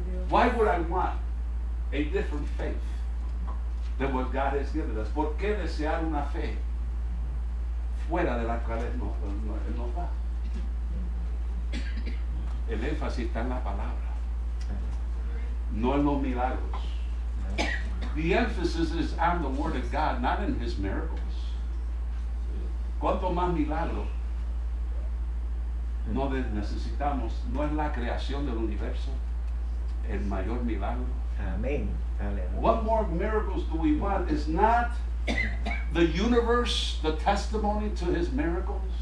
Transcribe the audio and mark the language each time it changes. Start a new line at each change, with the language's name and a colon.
English: Why would I want a different faith than what God has given us?
Spanish: ¿Por qué desear una fe fuera de la cual él nos da? El énfasis está en la palabra, no en los milagros.
English: The emphasis is on the word of God, not in his miracles.
Spanish: ¿Cuánto más milagros no necesitamos? No es la creación del universo el mayor milagro. Amén.
English: What more miracles do we want? Is not the universe the testimony to his miracles?